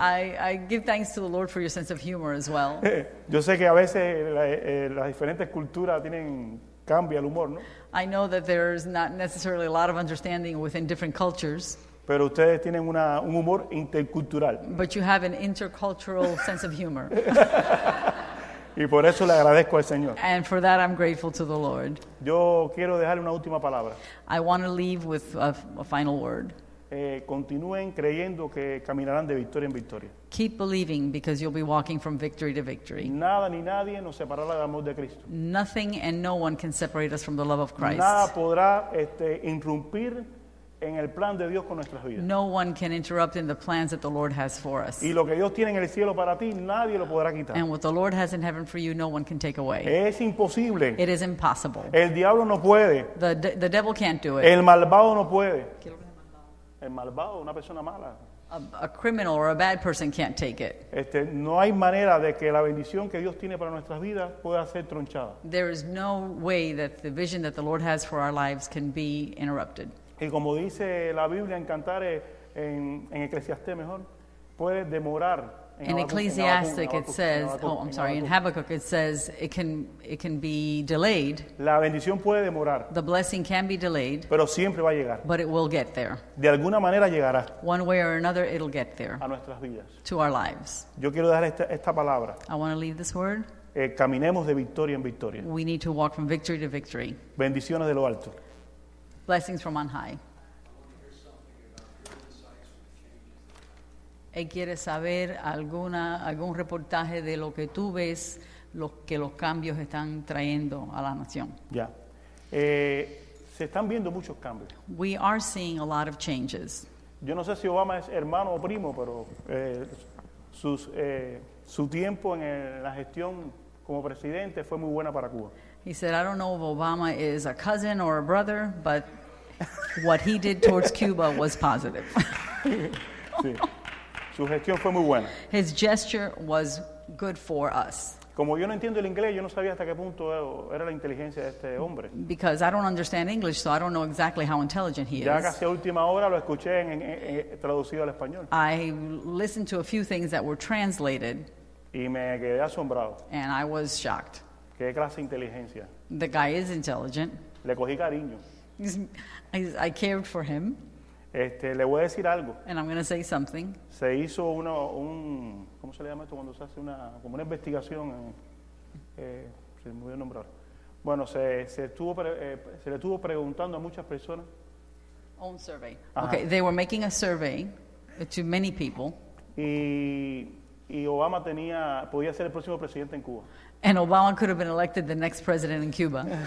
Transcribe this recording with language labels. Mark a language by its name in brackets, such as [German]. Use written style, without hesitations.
[English] I give thanks to the Lord for your sense of humor as well. [Spanish] Yo sé que a veces las diferentes culturas tienen cambio al humor, ¿no? [English] I know that there's not necessarily a lot of understanding within different cultures. [Spanish] Pero ustedes tienen un humor intercultural. [English] But you have an intercultural sense of humor. [Spanish] Y por eso le agradezco al Señor. [English] And for that I'm grateful to the Lord. [Spanish] Yo quiero dejar una última palabra. [English] I want to leave with a final word. [Spanish] Continúen creyendo que caminarán de victoria en victoria. [English] Keep believing because you'll be walking from victory to victory. [Spanish] Nada ni nadie nos separará del amor de Cristo. [English] Nothing and no one can separate us from the love of Christ. [Spanish] Nada podrá interrumpir en el plan de Dios con nuestras vidas. [English] No one can interrupt in the plans that the Lord has for us. [Spanish] Y lo que Dios tiene en el cielo para ti, nadie lo podrá quitar. [English] And what the Lord has in heaven for you, no one can take away. [Spanish] Es imposible. [English] It is impossible. [Spanish] El diablo no puede. [English] The devil can't do it. [Spanish] El malvado no puede. El malvado, una persona mala. [English] a criminal or a bad person can't take it. [Spanish] No hay manera de que la bendición que Dios tiene para nuestras vidas pueda ser tronchada. [English] There is no way that the vision that the Lord has for our lives can be interrupted. [Spanish] Y como dice la Biblia en Cantares, en Eclesiastés mejor, puede demorar. [English] In Ecclesiastic it says, oh, I'm sorry, in Habakkuk it says it can be delayed. [Spanish] La bendición puede demorar. [English] The blessing can be delayed. [Spanish] Pero siempre va a llegar. [English] But it will get there. [Spanish] De alguna manera llegará. [English] One way or another it'll get there. [Spanish] A nuestras vidas. [English] To our lives. [Spanish] Yo quiero dejar esta palabra. [English] I want to leave this word. [Spanish] Caminemos de victoria en victoria. [English] We need to walk from victory to victory. [Spanish] Bendiciones de lo alto. [English] Blessings from on high. [Spanish] ¿Quieres saber algún reportaje de lo que tú ves, lo que los cambios están trayendo a la nación? Ya. Yeah. Se están viendo muchos cambios. [English] We are seeing a lot of changes. [Spanish] Yo no sé si Obama es hermano o primo, pero su tiempo en la gestión como presidente fue muy buena para Cuba. [English] He said, I don't know if Obama is a cousin or a brother, but what he did towards Cuba was positive. [Spanish] Sí. Su gestión fue muy buena. [English] His gesture was good for us. [Spanish] Como yo no entiendo el inglés, yo no sabía hasta qué punto era la inteligencia de este hombre. [English] Because I don't understand English, so I don't know exactly how intelligent he is. [Spanish] Ya casi a última hora lo escuché en traducido al español. [English] I listened to a few things that were translated. [Spanish] Y me quedé asombrado. [English] And I was shocked. [Spanish] ¿Qué clase de inteligencia? [English] The guy is intelligent. [Spanish] Le cogí cariño. [English] I cared for him. [Spanish] Le voy a decir algo. [English] And I'm going to say something. [Spanish] Se hizo ¿cómo se le llama esto cuando se hace una investigación? Se me voy a nombrar. Bueno, se le estuvo preguntando a muchas personas. [English] Own survey. Ajá. Okay, they were making a survey to many people. [Spanish] Y Obama podía ser el próximo presidente en Cuba. [English] And Obama could have been elected the next president in Cuba.